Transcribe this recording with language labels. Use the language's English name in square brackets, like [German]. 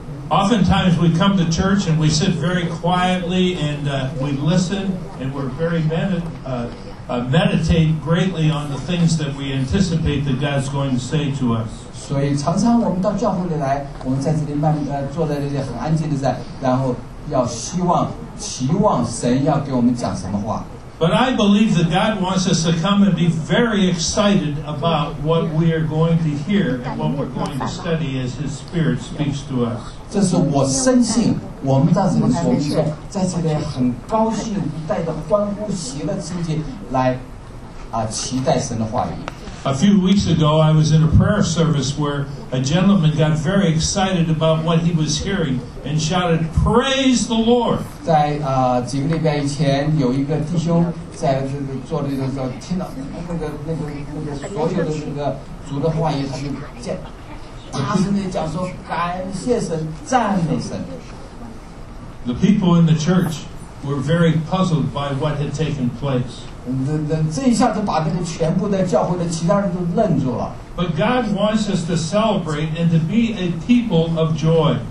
[English] Oftentimes we come to church and we sit very quietly and we listen and we're very meditate greatly on the things that we anticipate that God's going to say to us. [Chinese] 所以常常我们到教会里来，我们在这里坐在这里很安静的在，然后要期望神要给我们讲什么话。 [English] But I believe that God wants us to come and be very excited about what we are going to hear and what we're going to study as His Spirit speaks to us. [Chinese] 这是我深信，我们到这里所应该在这里很高兴，带着欢呼喜乐之心来期待神的话语。 [English] A few weeks ago, I was in a prayer service where a gentleman got very excited about what he was hearing and shouted, "Praise the Lord!" [Chinese] 在几个礼拜以前，有一个弟兄在这个坐着的时候，听到那个所有的那个主的话语，他就大声地讲说，感谢神，赞美神。 [English] The people in the church were very puzzled by what had taken place. [Chinese] 这一下就把那个全部的教会的其他人都愣住了。 [English] But God wants us to celebrate and to be a people of joy.